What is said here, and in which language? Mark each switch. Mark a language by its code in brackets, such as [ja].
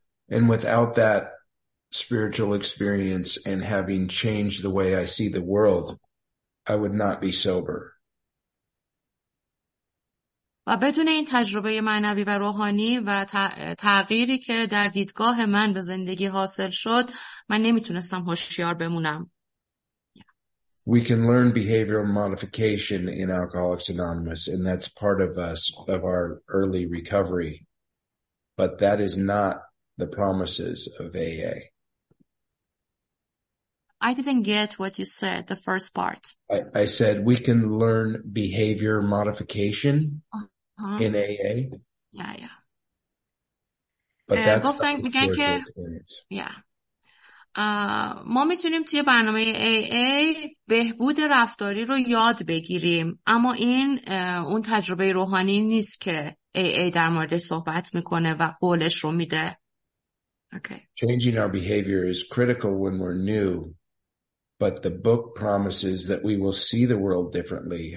[en] And without that spiritual experience and having changed the way I see the world, I would not be sober. [fa] و بدون این تجربه معنوی و روحانی و تغییری که در دیدگاه من به زندگی حاصل شد، من نمیتونستم هوشیار بمونم. [en] We can learn behavioral modification in Alcoholics Anonymous, and that's part of us, of our early recovery. But that is not the promises of AA. I didn't get what you said, the first part. I said we can learn behavior modification. In AA? Yeah, yeah. But that's the spiritual experience. Yeah. [fa] ما میتونیم توی برنامه AA بهبود رفتاری رو یاد بگیریم، اما این اون تجربه روحانی نیست که AA در موردش صحبت میکنه و قولش رو میده. [en] Okay. Changing our behavior is critical when we're new, but the book promises that we will see the world differently.